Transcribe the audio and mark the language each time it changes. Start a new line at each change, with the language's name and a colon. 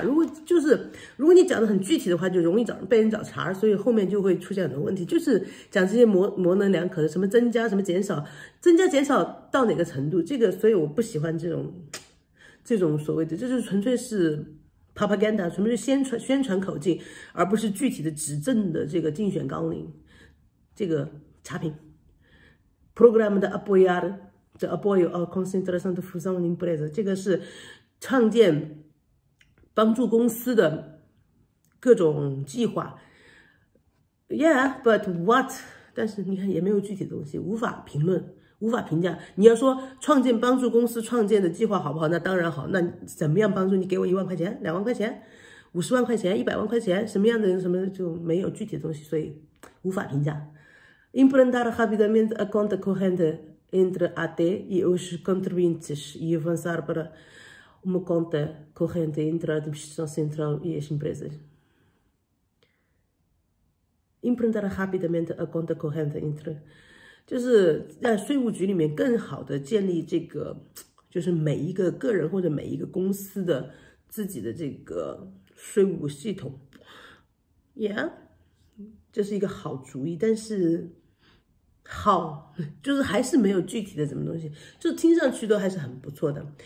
Chinese: 如果你讲得很具体的话，就容易被人找茬，所以后面就会出现很多问题，就是讲这些模棱两可的，什么增加，什么减少，增加减少到哪个程度，这个，所以我不喜欢这种所谓的，这就是纯粹是 propaganda，纯粹是宣传口径，而不是具体的执政的这个竞选纲领，这个差评。
Portuguese: Programa de apoiar de apoio à concentração de fusão de empresas，
Chinese: 这个是创建帮助公司的各种计划。
English: Yeah，but what？
Chinese: 但是你看也没有具体的东西，无法评论。无法评价。你要说创建帮助公司创建的计划好不好？那当然好。那怎么样帮助你？给我1万块钱、2万块钱、50万块钱、100万块钱，什么样的人什么就没有具体的东西，所以无法评价。
Portuguese: Implementar rapidamente a conta corrente entre AD e os contribuintes e avançar para uma conta corrente entre a administração central e as empresas. Implementar rapidamente a conta corrente entre
Chinese: 就是在税务局里面更好的建立这个，就是每一个个人或者每一个公司的自己的这个税务系统这是一个好主意，但是就是还是没有具体的什么东西，就听上去都还是很不错的。